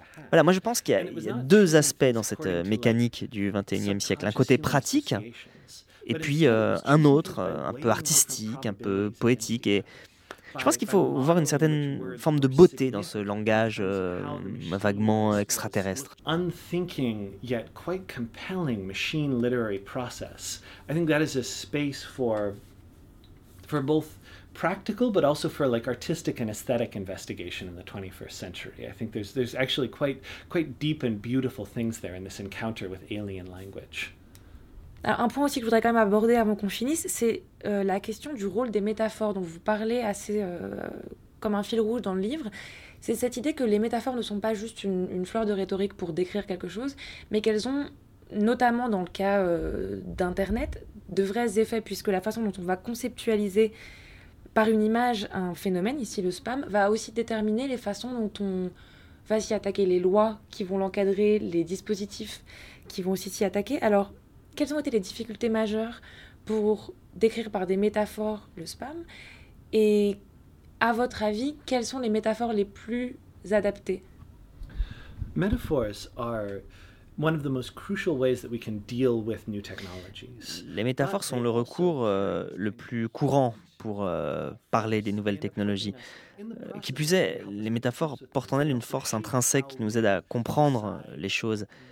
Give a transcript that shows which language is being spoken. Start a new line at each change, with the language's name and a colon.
French: Voilà, moi je pense qu'il y a deux aspects dans cette mécanique du XXIe siècle. Un côté pratique, et puis un autre, un peu artistique, un peu poétique. Et je pense qu'il faut voir une certaine forme de beauté dans ce langage vaguement extraterrestre.
English: Unthinking yet quite compelling machine literary process. I think that is a space for both practical but also for like artistic and aesthetic investigation in the 21st century. I think there's actually quite deep and beautiful things there in this encounter with alien language.
French: Un point aussi que je voudrais quand même aborder avant qu'on finisse, c'est la question du rôle des métaphores dont vous parlez assez comme un fil rouge dans le livre. C'est cette idée que les métaphores ne sont pas juste une fleur de rhétorique pour décrire quelque chose, mais qu'elles ont, notamment dans le cas d'Internet, de vrais effets, puisque la façon dont on va conceptualiser par une image un phénomène, ici le spam, va aussi déterminer les façons dont on va s'y attaquer, les lois qui vont l'encadrer, les dispositifs qui vont aussi s'y attaquer. Alors, quelles ont été les difficultés majeures pour décrire par des métaphores le spam? Et à votre avis, quelles sont les métaphores les plus adaptées?
English: Metaphors are one of the most crucial ways that we can deal with new technologies.
French: Les métaphores sont le recours le plus courant pour parler des nouvelles technologies. Qui plus est, les métaphores portent en elles une force intrinsèque qui nous aide à comprendre les choses.